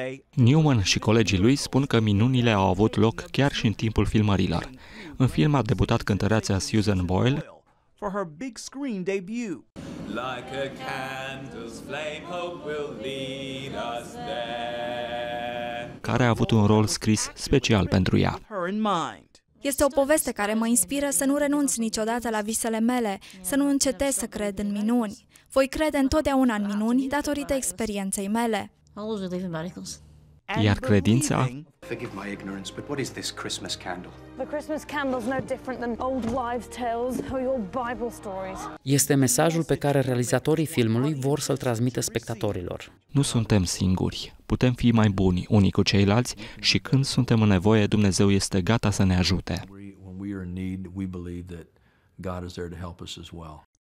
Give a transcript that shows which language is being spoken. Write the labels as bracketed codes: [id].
[ro] Newman și colegii lui spun că minunile au avut loc chiar și în timpul filmărilor. În film a debutat cântăreața Susan Boyle. [en] For her big screen debut. Like a candle's flame, hope will lead us there. [ro] Care a avut un rol scris special pentru ea. Este o poveste care mă inspiră să nu renunț niciodată la visele mele, să nu încetez să cred în minuni. Voi crede întotdeauna în minuni datorită experienței mele. Iar credința? [en] Forgive my ignorance, but what is this Christmas candle? The Christmas candle's no different than old wives' tales or your Bible stories. [ro] Este mesajul pe care realizatorii filmului vor să-l transmită spectatorilor. Nu suntem singuri. Putem fi mai buni unii cu ceilalți și când suntem în nevoie, Dumnezeu este gata să ne ajute. [en] When we are in need, we believe that God is there to help us as well.